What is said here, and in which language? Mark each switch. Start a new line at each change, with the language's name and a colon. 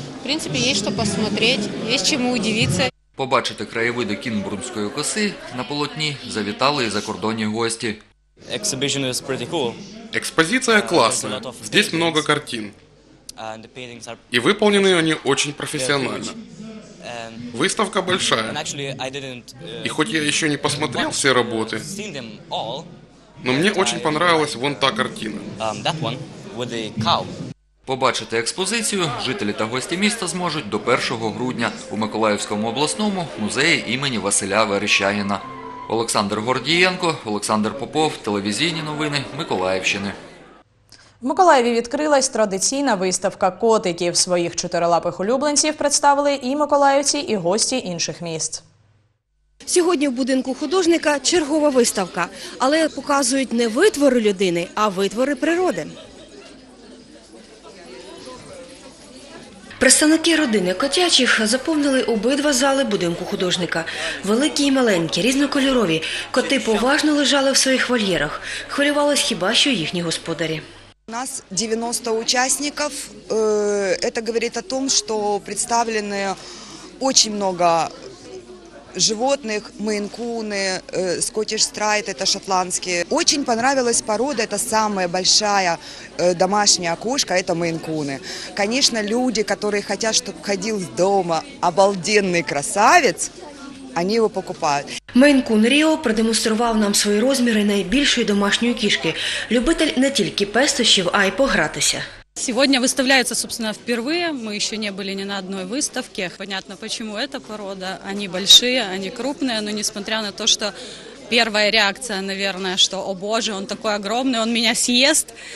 Ukrainian: В принципі, є що подивитися, є чому удивитися. Побачити краєвиди Кінбурнської коси на полотні завітали і закордонні гості. Експозиція класна, тут багато картин. І виконані вони дуже професіонально.
Russian: Выставка большая, и хоть я еще не посмотрел все работы, но мне очень понравилась вон та картина.
Ukrainian: Побачити експозицію жителі та гості міста зможуть до 1 грудня у Миколаївському обласному музеї імені Василя Верещагіна. Олександр Гордієнко, Олександр Попов, телевізійні новини Миколаївщини. В Миколаєві відкрилась традиційна виставка котиків. Своїх чотирилапих улюбленців представили і миколаївці, і гості інших міст. Сьогодні в будинку художника чергова виставка. Але показують не витвори людини, а витвори природи. Представники родини котячих заповнили обидва зали будинку художника. Великі і маленькі, різнокольорові. Коти поважно лежали в своїх вольєрах. Хвилювались хіба що їхні господарі.
Russian: У нас 90 участников. Это говорит о том, что представлено очень много животных, мейн-куны, скоттиш страйт, это шотландские. Очень понравилась порода, это самая большая домашняя кошка, это мейн-куны. Конечно, люди, которые хотят, чтобы ходил дома обалденный красавец,
Ukrainian: вони його покупають. Мейн-кун Ріо продемонстрував нам свої розміри найбільшої домашньої кішки. Любитель не тільки пестощів, а й погратися. Сьогодні виставляється, собственно, вперше. Ми ще не були ні на одній виставці. Зрозуміло, чому ця порода. Вони великі, вони крупні, але несмотря на те, що перша реакція, мабуть, що «О, Боже, він такий огромний, він мене з'їсть».